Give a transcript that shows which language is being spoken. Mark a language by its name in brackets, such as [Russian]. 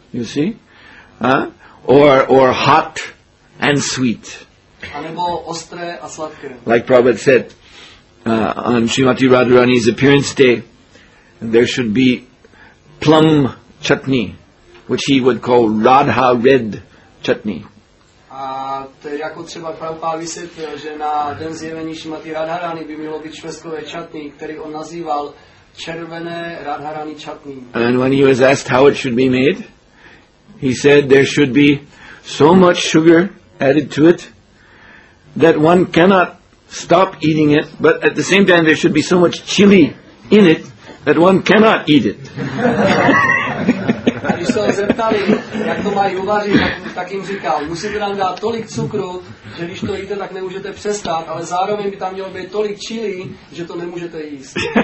[English] You see? Or hot and sweet. [Czech] A nebo ostré a sladké. [English] Like Prabhupada said, on Srimati Radharani's appearance day, there should be plum chutney, which he would call Radha red chutney. [Czech] A to je jako třeba Prabhupada vysvětlil, že na den zjevení Srimati Radharani by mělo být švestkové chutney, který on nazýval červené Radharani chutney. [English] And when he was asked how it should be made, he said there should be so much sugar added to it that one cannot stop eating it, but at the same time there should be so much chili in it that one cannot eat it. [Czech] Když se ho zeptali, jak to mají uvařit, tak jim říkal, musíte nám dát tolik cukru, že když to jíte, tak nemůžete přestat, ale zároveň by tam mělo být tolik chili, že to nemůžete jíst.